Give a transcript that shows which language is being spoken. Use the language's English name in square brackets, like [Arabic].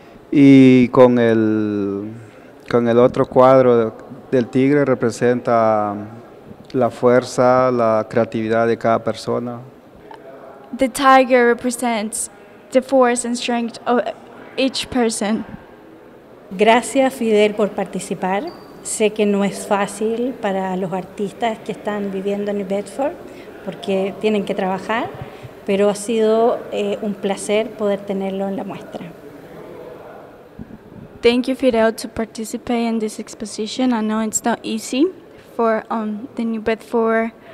[Spanish] Y con el otro cuadro del tigre representa la fuerza, la creatividad de cada persona. [English] The tiger represents the force and strength of each person. [Spanish] Gracias, Fidel, por participar. Sé que no es fácil para los artistas que están viviendo en New Bedford porque tienen que trabajar, pero ha sido un placer poder tenerlo en la muestra. [English] Thank you, Fidel, to participate in this exposition. I know it's not easy for the New Bedford